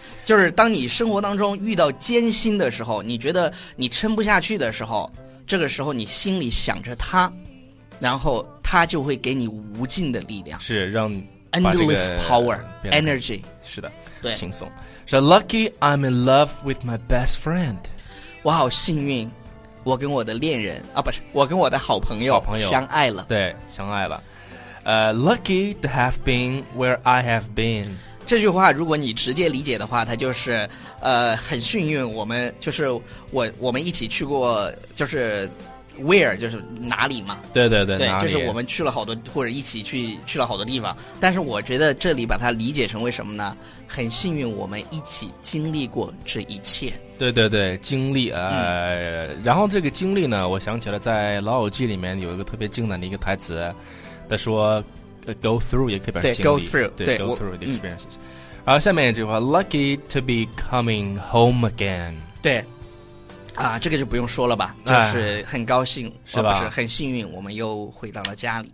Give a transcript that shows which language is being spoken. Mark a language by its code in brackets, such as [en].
[zh] 就是当你生活当中遇到艰辛的时候，你觉得你撑不下去的时候，这个时候你心里想着它，然后他就会给你无尽的力量，是让 [en] endless power energy， [zh] 是的，对， [en] 轻松。 So lucky I'm in love with my best friend， [zh] 我好幸运，我跟我的恋人啊，不是，我跟我的好朋友相爱了，对，相爱了。 [en] Lucky to have been where I have been， [zh] 这句话如果你直接理解的话，它就是很幸运，我们就是我们一起去过，就是。 Where 就是哪里嘛？对，就是我们去了好多，或者一起去了好多地方。但是我觉得这里把它理解成为什么呢？很幸运，我们一起经历过这一切。对，经历然后这个经历呢，我想起了在《老友记》里面有一个特别经典的一个台词，他说 ， "Go through" 也可以表示经历。 [en] 对，Go through，对，Go through the experiences。 [zh] 然后下面一句话 ， "Lucky to be coming home again"。对。啊，这个就不用说了吧，就是很高兴，是吧？不是，很幸运，我们又回到了家里。